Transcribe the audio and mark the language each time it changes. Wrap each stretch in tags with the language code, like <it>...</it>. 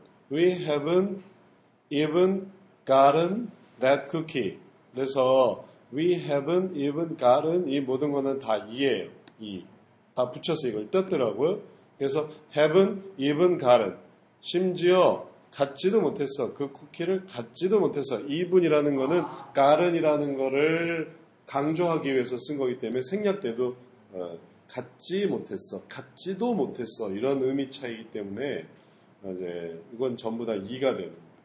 <en>We haven't even gotten that cookie.</en> <ko>그래서</ko> <en>we haven't even gotten</en> <ko>이 모든 거는 다 이예요. 이. 다 붙여서 이걸 뜯더라고요. 그래서</ko> <en>haven't even gotten.</en> <ko>심지어 갖지도 못했어. 그 쿠키를 갖지도 못했어. even이라는 거는 gotten이라는 거를 강조하기 위해서 쓴 거기 때문에 생략돼도 갖지 못했어. 갖지도 못했어. 이런 의미 차이기 때문에 이제 이건 전부 다 이가 되는 거예요.</ko>